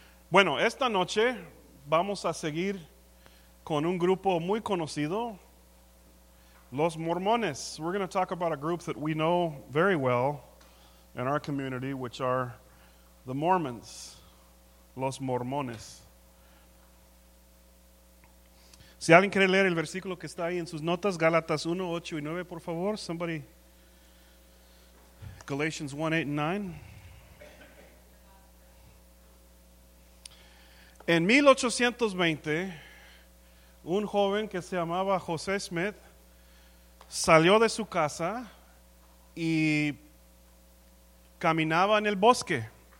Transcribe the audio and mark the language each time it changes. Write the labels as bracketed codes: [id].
[es] Bueno, esta noche vamos a seguir con un grupo muy conocido, los Mormones. [en] We're going to talk about a group that we know very well in our community, which are the Mormons, los Mormones. [es] Si alguien quiere leer el versículo que está ahí en sus notas, Gálatas 1, 8 y 9, por favor. [en] Somebody, Galatians 1, 8 and 9. [es] En 1820, un joven que se llamaba José Smith salió de su casa y caminaba en el bosque.